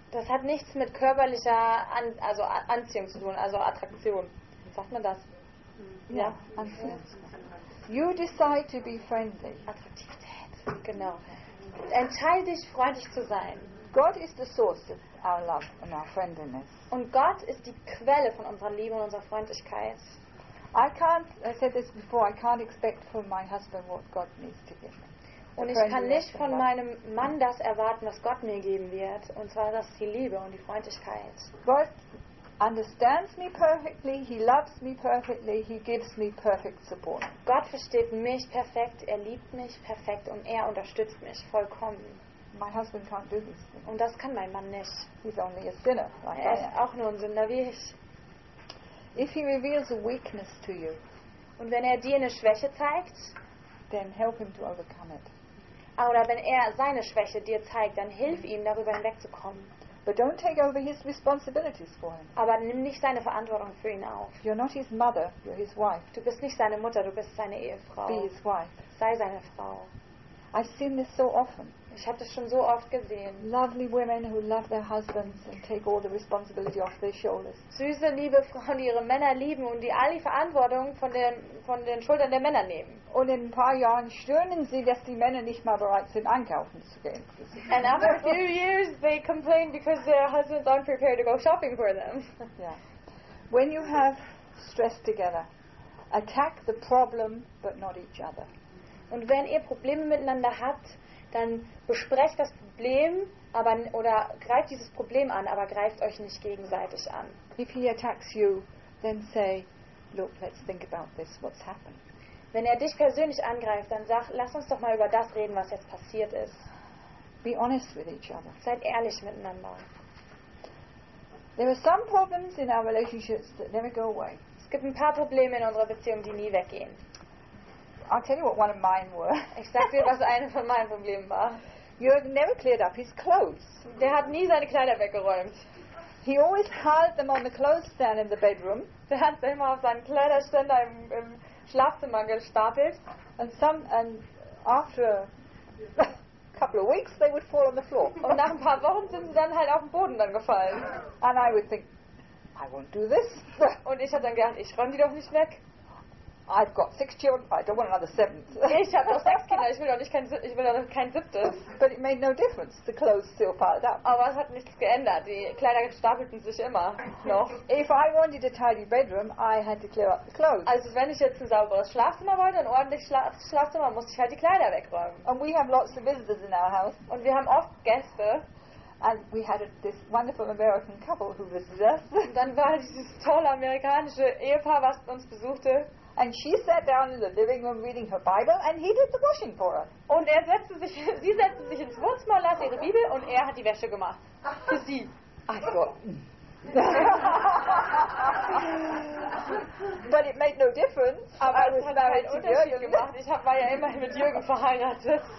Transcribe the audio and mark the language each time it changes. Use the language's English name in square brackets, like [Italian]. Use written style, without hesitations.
[German] Das hat nichts mit körperlicher Anziehung zu tun, also Attraktion. Sagt man das? Ja, ja. Anziehung. [English] You decide to be friendly. [German] Attraktivität, genau. Entscheide dich, freundlich zu sein. [English] God is the source of our love and our friendliness. [German] Und Gott ist die Quelle von unserer Liebe und unserer Freundlichkeit. [English] I can't, I said this before, I can't expect from my husband what God needs to give me. [German] Und ich kann nicht von meinem Mann das erwarten, was Gott mir geben wird, und zwar das ist die Liebe und die Freundlichkeit. [English] God understands me perfectly, he loves me perfectly, he gives me perfect support. [German] Gott versteht mich perfekt, er liebt mich perfekt und er unterstützt mich vollkommen. [English] My husband can't do this. [German] Und das kann mein Mann nicht. [English] He's only a sinner, like [German] er ist auch nur ein Sünder wie ich. [English] If he reveals a weakness to you, [German] und wenn er dir eine Schwäche zeigt, [English] then help him to overcome it. [German] Oder wenn er seine Schwäche dir zeigt, dann hilf ihm, darüber hinwegzukommen. [English] But don't take over his responsibilities for him. [German] Aber nimm nicht seine Verantwortung für ihn auf. [English] You're not his mother, you're his wife. [German] Du bist nicht seine Mutter, du bist seine Ehefrau. [English] Be his wife. [German] Sei seine Frau. [English] I've seen this so often. [German] Ich habe das schon so oft gesehen. [English] Lovely women who love their husbands and take all the responsibility off their shoulders. [German] Süße, liebe Frauen, die ihre Männer lieben und die all die Verantwortung von den Schultern der Männer nehmen. Und in ein paar Jahren stöhnen sie, dass die Männer nicht mal bereit sind, einkaufen zu gehen. [English] And after a few years, they complain because their husbands aren't prepared to go shopping for them. Yeah. When you have stress together, attack the problem, but not each other. [German] Und wenn ihr Probleme miteinander habt, dann besprecht das Problem, aber oder greift dieses Problem an, aber greift euch nicht gegenseitig an. [English] If he attacks you, then say, look, let's think about this, what's happened. [German] Wenn er dich persönlich angreift, dann sag, lass uns doch mal über das reden, was jetzt passiert ist. [English] Be honest with each other. [German] Seid ehrlich miteinander. [English] There are some problems in our relationships that never go away. [German] Es gibt ein paar Probleme in unserer Beziehung, die nie weggehen. [English] I'll tell you what one of mine were. [German] Ich sag dir, was eines von meinen Problemen war. [English] Jürgen never cleared up his clothes. [German] Der hat nie seine Kleider weggeräumt. [English] He always piled them on the clothes stand in the bedroom. [German] Der hat sie immer auf seinem Kleiderständer im Schlafzimmer gestapelt. [English] And after a couple of weeks, they would fall on the floor. [German] Und nach ein paar Wochen sind sie dann halt auf den Boden dann gefallen. [English] And I would think, I won't do this. [German] Und ich habe dann gedacht, ich räume die doch nicht weg. [English] I've got 6 children, I don't want another 7th. [German] Ich habe noch 6 Kinder, ich will doch kein 7. [English] But it made no difference, the clothes still piled up. [German] Aber es hat nichts geändert, die Kleider stapelten sich immer noch. [English] If I wanted a tidy bedroom, I had to clear up the clothes. [German] Also wenn ich jetzt ein sauberes Schlafzimmer wollte, ein ordentliches Schlafzimmer, musste ich halt die Kleider wegräumen. [English] And we have lots of visitors in our house. [German] Und wir haben oft Gäste. [English] And we had this wonderful American couple who visited us. [German] Und dann war dieses tolle amerikanische Ehepaar, was uns besuchte. [English] And she sat down in the living room reading her Bible and he did the washing for her. [German] Und er setzte sich, sie setzte sich ins Wohnzimmer, las ihre Bibel und er hat die Wäsche gemacht. Für sie. [English] I thought. But it made no difference. [German] Aber es hat keinen Unterschied gemacht. Ich war ja immerhin mit Jürgen verheiratet.